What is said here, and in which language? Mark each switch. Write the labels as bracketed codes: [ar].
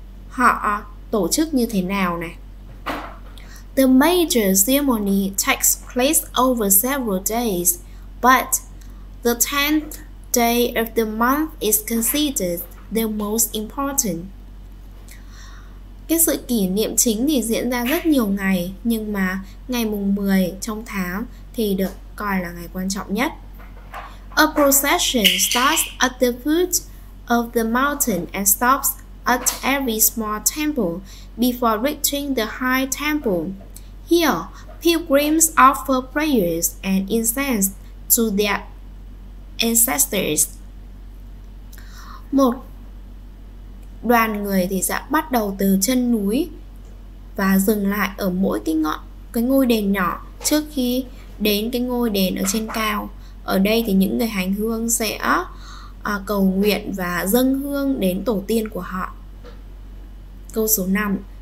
[vi] Họ tổ chức như thế nào này? [en] The major ceremony takes place over several days, but the 10th day of the month is considered the most important. [vi] Cái sự kỷ niệm chính thì diễn ra rất nhiều ngày, nhưng mà ngày mùng 10 trong tháng thì được coi là ngày quan trọng nhất. [en] A procession starts at the foot of the mountain and stops at every small temple before reaching the high temple. Here, pilgrims offer prayers and incense to their ancestors. [vi] Một đoàn người thì sẽ bắt đầu từ chân núi và dừng lại ở mỗi cái ngọn, cái ngôi đền nhỏ trước khi đến cái ngôi đền ở trên cao. Ở đây thì những người hành hương sẽ cầu nguyện và dâng hương đến tổ tiên của họ. Câu số 5.